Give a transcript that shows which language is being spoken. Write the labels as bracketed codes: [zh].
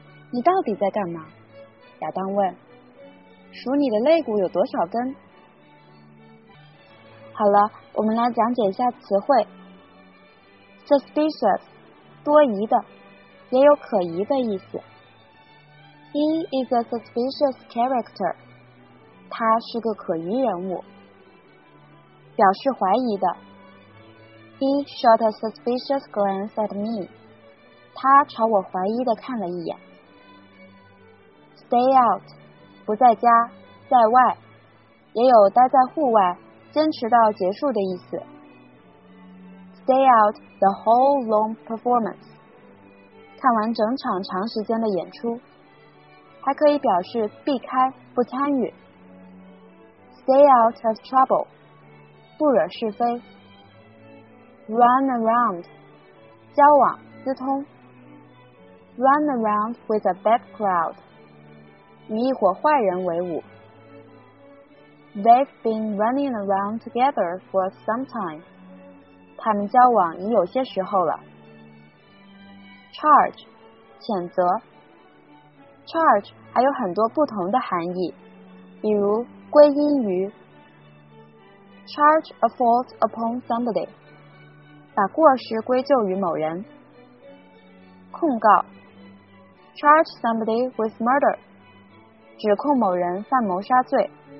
[zh] 你到底在干嘛？亚当问。数你的肋骨有多少根？好了，我们来讲解一下词汇。Suspicious， 多疑的，也有可疑的意思。 [en] He is a suspicious character. [zh] 他是个可疑人物。表示怀疑的。 [en] He shot a suspicious glance at me. [zh] 他朝我怀疑地看了一眼。 Stay out. 不在家，在外。也有待在户外，坚持到结束的意思。 [en] Stay out the whole long performance. [zh] 看完整场长时间的演出。还可以表示避开，不参与。 Stay out of trouble，不惹是非。 Run around，交往，私通。 Run around with a bad crowd，与一伙坏人为伍。 [en] They've been running around together for some time，他们交往已有些时候了。 [zh] Charge， 谴责。 Charge 还有很多不同的含义，比如归因于 Charge a fault upon somebody，把过失归咎于某人。控告 Charge somebody with murder，指控某人犯谋杀罪。